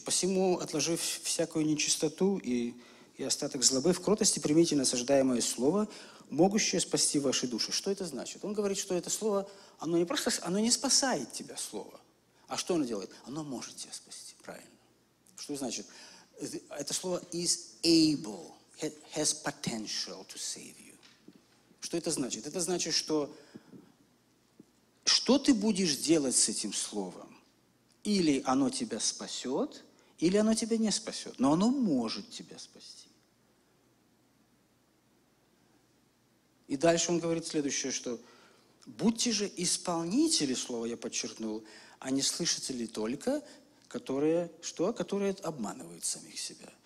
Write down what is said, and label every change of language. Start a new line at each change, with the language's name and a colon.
Russian: «Посему, отложив всякую нечистоту и остаток злобы, в кротости примите насаждаемое слово, могущее спасти ваши души». Что это значит? Он говорит, что это слово, оно не просто, оно не спасает тебя, слово. А что оно делает? Оно может тебя спасти, правильно. Что значит? Это слово
English: is able, has potential to save you.
Russian: Что это значит? Это значит, что ты будешь делать с этим словом? Или оно тебя спасет, или оно тебя не спасет. Но оно может тебя спасти. И дальше он говорит следующее, что «будьте же исполнители слова», я подчеркнул, «а не слышатели только, которые обманывают самих себя».